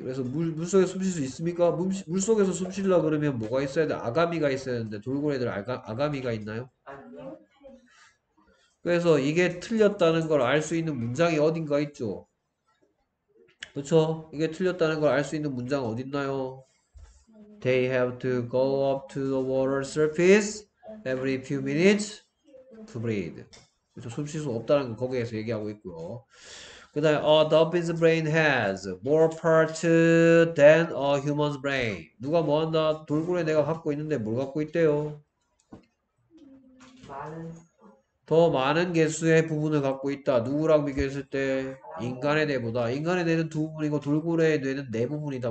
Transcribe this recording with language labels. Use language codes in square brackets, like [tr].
[ko] 그래서 물속에서 숨쉴 수 있습니까? 물속에서 숨쉬려고 그러면 뭐가 있어야 돼? 아가미가 있어야 되는데 돌고래들 아가미가 있나요? 그래서 이게 틀렸다는 걸알수 있는 문장이 어딘가 있죠. 그렇죠? 이게 틀렸다는 걸알수 있는 문장 어디 있나요? [en] They have to go up to the water surface every few minutes to breathe. [ko] 그래서 숨쉴 수 없다는 걸 거기에서 얘기하고 있고요. 그다음에 [en] a dolphin's brain has more parts than a human's brain. [ko] 누가 뭐 한다? 돌고래 내가 갖고 있는데 뭘 갖고 있대요? 더 많은 개수의 부분을 갖고 있다. 누구랑 비교했을 때 인간의 뇌보다 인간의 뇌는 두 부분이고 돌고래의 뇌는 네 부분이다.